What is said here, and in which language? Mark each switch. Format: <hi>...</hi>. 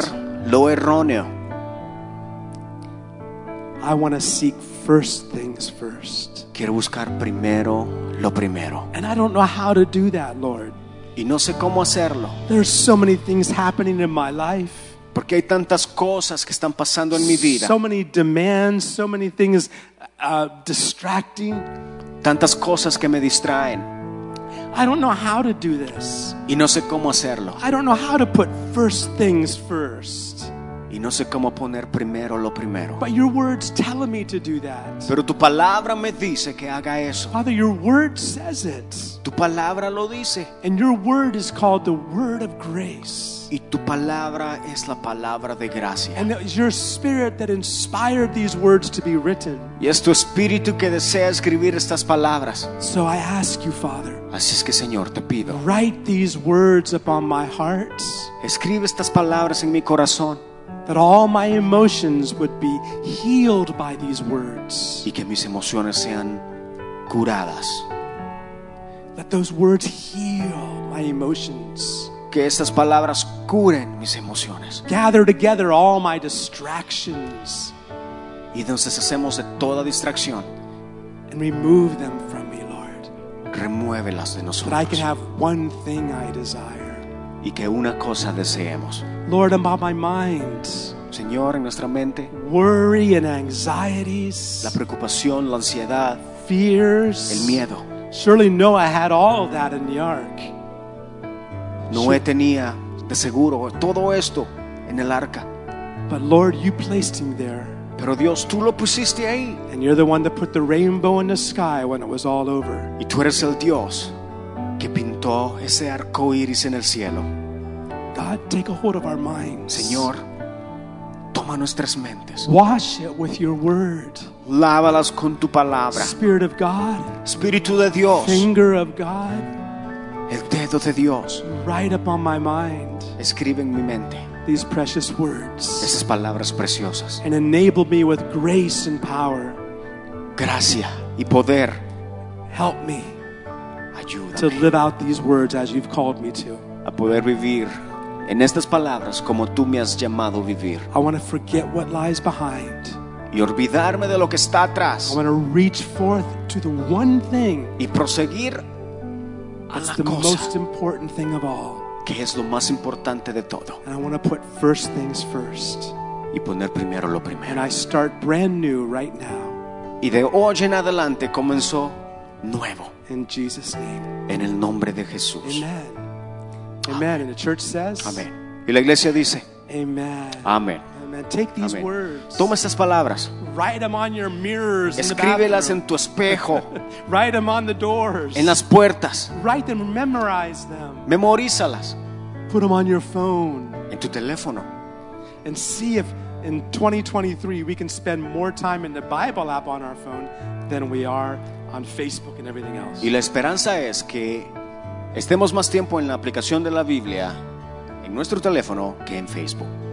<en>first.</en> <es>Lo erróneo.</es> <en>I want to seek first things first.</en> <es>Quiero buscar primero lo primero.</es> <en>And I don't know how to do that, Lord.</en> <es>Y no sé cómo hacerlo.</es> <en>There are so many things happening in my life.</en> <es>Porque hay tantas cosas que están pasando en mi vida.</es> <en>So many demands, so many things distracting.</en> <es>Tantas cosas que me distraen.</es> <en>I don't know how to do this.</en> <es>Y no sé cómo hacerlo.</es> <en>I don't know how to put first things first.</en> <es>Y no sé cómo poner primero lo primero.</es> <en>But your word's telling me to do that.</en> <es>Pero tu palabra me dice que haga eso.</es> <en>Father, your word says it.</en> <es>Tu palabra lo dice.</es> <en>And your word is called the word of grace.</en> <es>Y tu palabra es la palabra de gracia.</es> <en>And it's your spirit that inspired these words to be written.</en> <es>Y es tu espíritu que desea escribir estas palabras.</es> <en>So I ask you, Father.</en> <es>Así es que, Señor, te pido.</es> <en>Write these words upon my heart.</en> <es>Escribe estas palabras en mi corazón.</es> <en>That all my emotions would be healed by these words.</en> <es>Y que mis emociones sean curadas.</es> <en>Let those words heal my emotions.</en> <es>Que estas palabras curen mis emociones.</es> <en>Gather together all my distractions.</en> <es>Y nos deshacemos de toda distracción.</es> <en>And remove them from me, Lord.</en> <es>Remuévelas de nosotros.</es> <en>That I can have one thing I desire.</en> <es>Y que una cosa deseemos.</es> <en>Lord, about my mind.</en> <es>Señor, en nuestra mente.</es> <en>Worry and anxieties.</en> <es>La preocupación, la ansiedad.</es> <en>Fears.</en> <es>El miedo.</es> <en>Surely Noah had all of that in the ark.</en> <es>Noé tenía de seguro todo esto en el arca.</es> <en>But Lord, you placed him there.</en> <es>Pero Dios, tú lo pusiste ahí.</es> <en>And you're the one that put the rainbow in the sky when it was all over.</en> <es>Y tú eres el Dios que pintó ese arco iris en el cielo.</es> <en>God, take a hold of our minds.</en> <es>Señor, toma nuestras mentes.</es> <en>Wash it with your word.</en> <es>Lávalas con tu palabra.</es> <en>Spirit of God.</en> <es>Espíritu de Dios.</es> <en>Finger of God.</en> <es>El dedo de Dios.</es> <en>Write upon my mind.</en> <es>Escribe en mi mente.</es> <en>These precious words.</en> <es>Esas palabras preciosas.</es> <en>And enable me with grace and power.</en> <es>Gracia y poder.</es> <en>Help me.</en> <es>Ayúdame.</es> <en>To live out these words as you've called me to.</en> <es>A poder vivir en estas palabras como tú me has llamado a vivir.</es> <en>I want to forget what lies behind.</en> <es>Y olvidarme de lo que está atrás.</es> <en>I want to reach forth to the one thing.</en> <es>Y proseguir a la</es> <en>the</en> <es>cosa</es> <en>most important thing of all.</en> <es>Que es lo más importante de todo.</es> <en>And I want to put first things first.</en> <es>Y poner primero lo primero.</es> <en>And I start brand new right now.</en> <es>Y de hoy en adelante comenzó nuevo.</es> <en>In Jesus' name.</en> <es>En el nombre de Jesús.</es> <en>Amen. Amen. And the church says. Amen.</en> <es>Y la iglesia dice.</es> <en>Amen. Amen. Amen. Take these Amen. Words.</en> <es>Toma estas palabras.</es> <en>Write them on your mirrors.</en> <es>Escríbelas en tu espejo.</es> <en>Write them on the doors.</en> <es>En las puertas.</es> <en>Write them. Memorize them.</en> <es>Memorízalas.</es> <en>Put them on your phone.</en> <es>En tu teléfono.</es> <en>And see if in 2023 we can spend more time in the Bible app on our phone than we are on Facebook and everything else.</en> <es>Y la esperanza es que estemos más tiempo en la aplicación de la Biblia en nuestro teléfono que en Facebook.</es>